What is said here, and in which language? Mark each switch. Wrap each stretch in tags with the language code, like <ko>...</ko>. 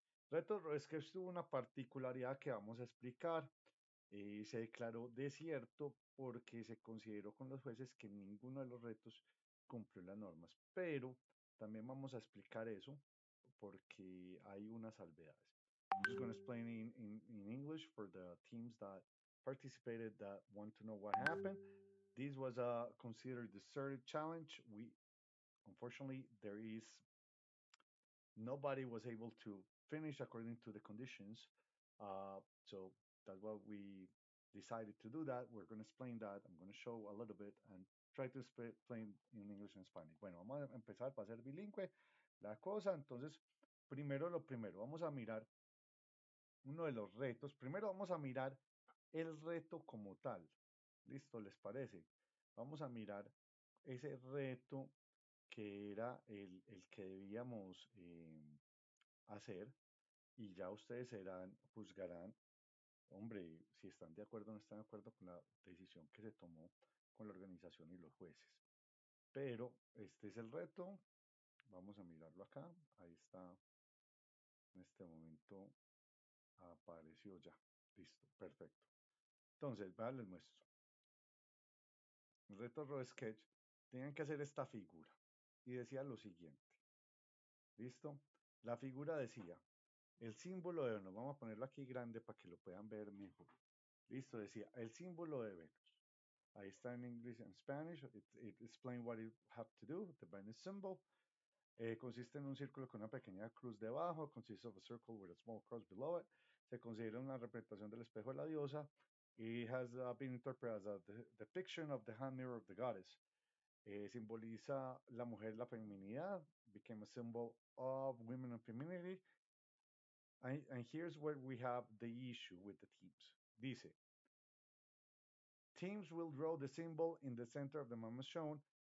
<es>Reto RoboSketch tuvo una particularidad que vamos a explicar. Se declaró desierto porque se consideró con los jueces que ninguno de los retos cumplió las normas. Pero también vamos a explicar eso porque hay unas salvedades.</es> <en>I'm just going to explain in English for the teams that participated that want to know what happened. This was a considered deserted challenge. We unfortunately there is nobody was able to finish according to the conditions. So that's what we decided to do that. We're going to explain that. I'm going to show a little bit and try to explain in English and Spanish.</en> <es>Bueno, vamos a empezar para ser bilingüe la cosa. Entonces, primero lo primero, vamos a mirar uno de los retos. Primero vamos a mirar el reto como tal. ¿Listo? ¿Les parece? Vamos a mirar ese reto que era el que debíamos hacer. Y ya ustedes serán, juzgarán, hombre, si están de acuerdo o no están de acuerdo con la decisión que se tomó con la organización y los jueces. Pero este es el reto. Vamos a mirarlo acá. Ahí está. En este momento apareció ya. Listo. Perfecto. Entonces, vean, les muestro. El reto RoboSketch, tenían que hacer esta figura. Y decía lo siguiente. ¿Listo? La figura decía, el símbolo de Venus, vamos a ponerlo aquí grande para que lo puedan ver mejor. ¿Listo? Decía, el símbolo de Venus. Ahí está en inglés y en Spanish.</es> <en>It explains what you have to do, the Venus symbol.</en> <es>Consiste en un círculo con una pequeña cruz debajo.</es> <en>Consiste of a circle with a small cross below it.</en> <es>Se considera una representación del espejo de la diosa.</es> <en>It has been interpreted as a depiction of the hand mirror of the goddess.</en> <es>Simboliza la mujer, la feminidad.</es> <en>Became a symbol of women and femininity. And here's where we have the issue with the teams. Dice, teams will draw the symbol in the center of the moment shown.</en>